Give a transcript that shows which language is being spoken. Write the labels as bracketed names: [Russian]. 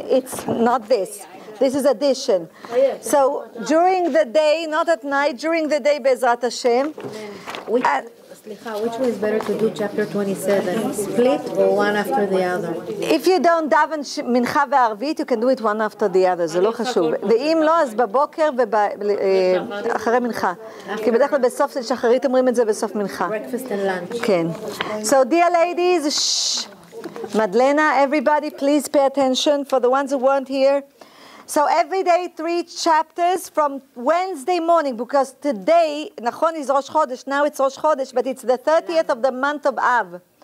[English] It's not this. This is addition. So during the day, not at night, during the day, Bezrat Hashem. Which one is better to do chapter 27? Split or one after the other? If you don't daven mincha ve'arvit, you can do it one after the other. [Hebrew] זה לא חשוב. ואם לא, אז בבוקר ואחרי מנחה. כי בדרך כלל בסוף שחרית אומרים את זה בסוף מנחה. [English] Breakfast and lunch. [Hebrew] כן. [English] So dear ladies, Madlena, everybody, please pay attention for the ones who weren't here. So every day, 3 chapters from Wednesday morning, because today, נכון, is Rosh Chodesh, now it's Rosh Chodesh, but it's the 30th of the month of Av.